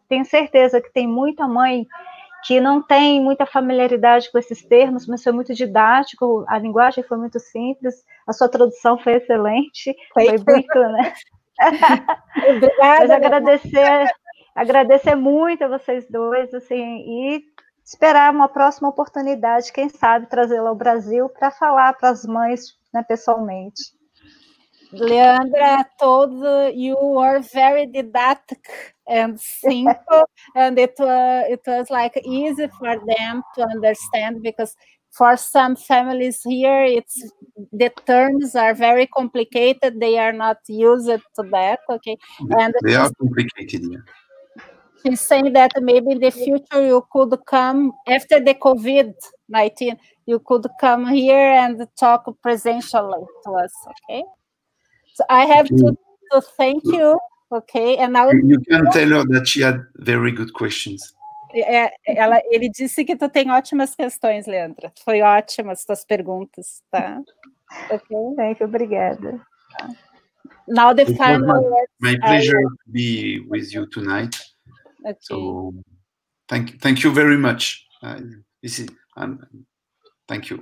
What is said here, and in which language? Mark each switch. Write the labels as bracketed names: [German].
[Portuguese] Tenho certeza que tem muita mãe que não tem muita familiaridade com esses termos, mas foi muito didático, a linguagem foi muito simples, a sua tradução foi excelente, foi muito, né? Obrigada. Mas agradecer muito a vocês dois, assim, e esperar uma próxima oportunidade, quem sabe trazê-la ao Brasil para falar para as mães, né, pessoalmente. [English] Leandra, you are very didactic and simple, and it was like easy for them to understand, because for some families here, the terms are very complicated, they are not used to that, okay? And they are complicated, yeah. She's saying that maybe in the future you could come, after the COVID-19, you could come here and talk presentially to us, okay? I have to thank you, okay? And now you can tell her that she had very good questions. [Portuguese] Ele disse que tu tem ótimas questões, Leandra. Foi ótimas tuas perguntas, tá? [English] Okay, thank you, [Portuguese] obrigada. [English] Now the final words. My pleasure to be with you tonight. Okay. So thank you very much. Thank you.